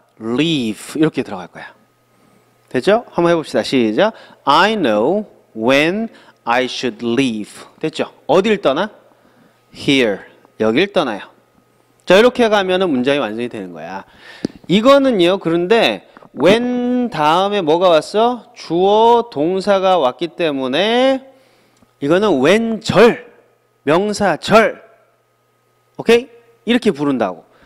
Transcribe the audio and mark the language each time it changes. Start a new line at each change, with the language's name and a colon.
Korean: Leave 이렇게 들어갈 거야. 됐죠? 한번 해봅시다. 시작.
English: I know when I should leave.
Korean: 됐죠? 어딜 떠나? Here. 여길 떠나요. 자, 이렇게 가면은 문장이 완성이 되는 거야. 이거는요, 그런데 when 다음에 뭐가 왔어? 주어 동사가 왔기 때문에 이거는 when절, 명사절. 오케이? 이렇게 부른다고.